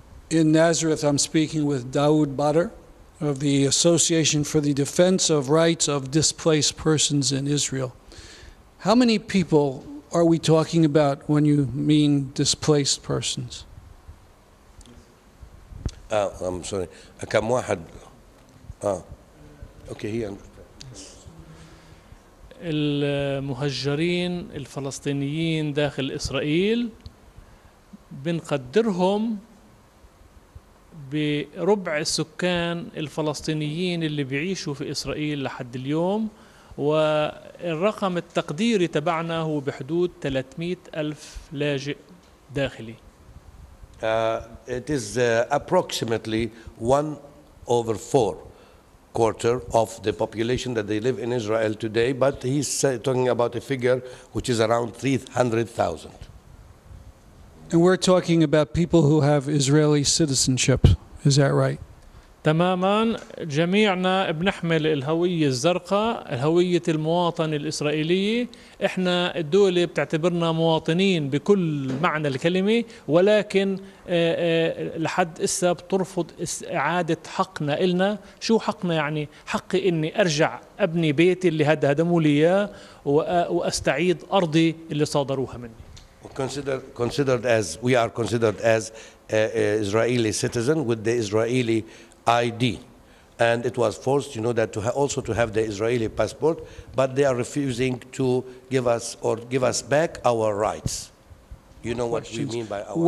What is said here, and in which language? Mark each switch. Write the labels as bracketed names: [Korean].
[English] In Nazareth, I'm speaking with Daud Badr of the Association for the Defense of Rights of Displaced Persons in Israel. How many people are we talking about when you mean displaced persons? I'm sorry. [Arabic] كم واحد؟ [English] Okay, he understands. [Arabic] المهجرين الفلسطينيين داخل إسرائيل بنقدرهم بربع السكان الفلسطينيين اللي بيعيشوا في إسرائيل لحد اليوم والرقم التقديري تبعنا هو بحدود 300 ألف لاجئ داخلي [English] It is approximately 1/4 of the population that they live in Israel today, but he's talking about a figure which is around 300,000. And we're talking about people who have Israeli citizenship. Is that right? [Arabic] تماماً جميعنا بنحمل الهوية الزرقاء الهوية المواطن الإسرائيلي إحنا الدولة بتعتبرنا مواطنين بكل معنى الكلمة ولكن لحد إسا بترفض إعادة حقنا إلنا شو حقنا يعني حقي إني أرجع أبني بيتي اللي هدموا لي وأستعيد أرضي اللي صادروها مني [English] considered as Israeli citizen with the Israeli ID, and it was forced, you know, that to also to have the Israeli passport, but they are refusing to give us or give us back our rights. You know what we mean by our rights.